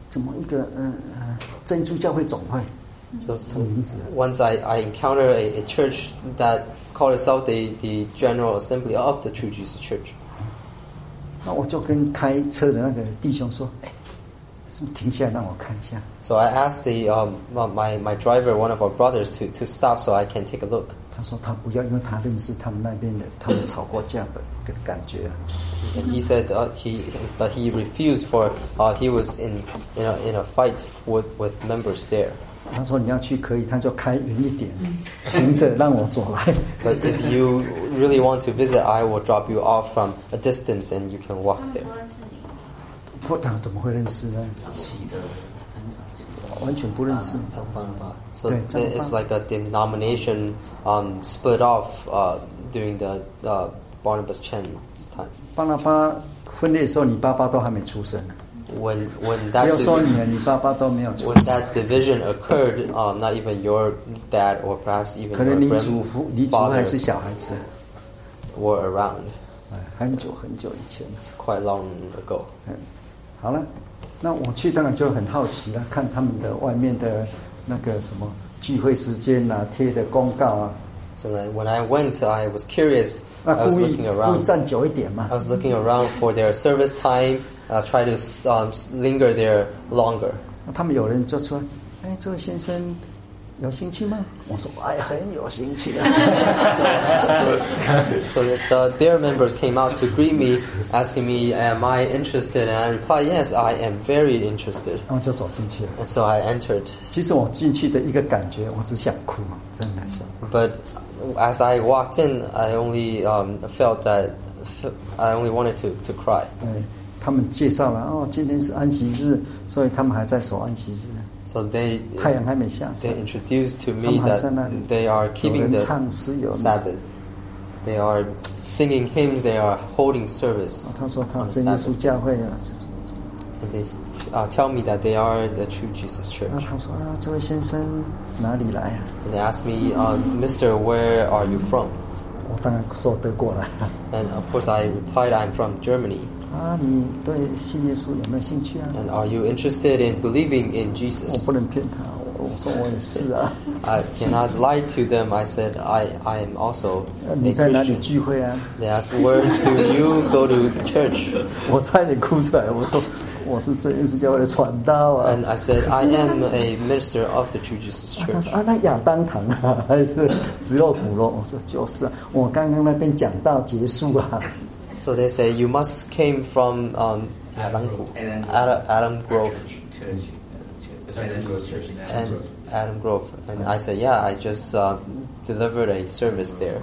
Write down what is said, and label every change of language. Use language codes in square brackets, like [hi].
[zh] 那我后来看，哎，怎么一个真耶稣教会总会？ [en] So once I encounter a church that called itself the General Assembly of the True Jesus Church. [zh] 那我就跟开车的那个弟兄说。停下来让我看一下。 [en] So I asked my driver, one of our brothers, to stop so I can take a look. [zh] 他说他不要，因为他认识他们那边的，他们吵过架，感觉。 [en] He said he refused for he was in a fight with members there. [zh] 他说你要去可以，他就开远一点，停着让我走来。 [en] But if you really want to visit, I will drop you off from a distance and you can walk there. [zh] 不，他怎么会认识呢？早期的，很早期的，完全不认识。张邦吧。So [en] it's like a denomination split off during the Barnabas Chen's time. [zh] 邦拉巴分裂的时候，你爸爸都还没出生。 [en] When that [zh] 没有说你的, 你爸爸都没有出世, [en] when that division occurred, not even your dad or perhaps even your grandfather were around. [zh] 很久很久以前, [en] it's quite long ago. [zh] 好了, 那我去当然就很好奇了, 看他们的外面的那个什么聚会时间啊, 贴的公告啊。 [en] So when I went, I was curious. [zh] 那故意, [en] I was looking around. [zh] 故意站久一点嘛, [en] I was looking around for their service time. Try to linger there longer. [zh] 他们有人就说, 哎, 这位先生有兴趣吗? 我说, 哎, 很有兴趣啊。 [en] So their members came out to greet me, asking me, am I interested? And I replied, yes, I am very interested. [zh] 然后就走进去了。 [en] And so I entered. [zh] 其实我进去的一个感觉, 我只想哭, 真的是。 [en] But as I walked in, I only felt that I only wanted to cry. [zh] 对。他们介绍了,哦,今天是安息日,所以他们还在守安息日。 [en] So they, [zh] 太阳还没下山, [en] they introduced to me that they are keeping the Sabbath. They are singing hymns, they are holding service. [zh] 他说他真耶稣教会啊, [en] and they tell me that they are the true Jesus Church. [zh] 他说啊, 这位先生哪里来啊? [en] And they asked me, Mr., where are you from? [zh] 我当然说德国来。 [en] And of course I replied, I'm from Germany. [zh] 啊，你对信耶稣有没有兴趣啊？ [en] And are you interested in believing in Jesus? [zh] 我不能骗他，我说我也是啊。 [en] I cannot lie to them. I said I am also. [zh] 你在哪里聚会啊？ [en] They asked, where do you go to church? [zh] 我差点哭出来，我说我是真耶稣教会的传道啊。 [en] And I said I am a minister of the True Jesus Church. [zh] 他说啊，那亚当堂啊，还是紫肉骨肉？我说就是啊，我刚刚那边讲到结束啊。 [en] So they say you must came from Adam Grove. Adam Grove. And I said, yeah, I just delivered a service there.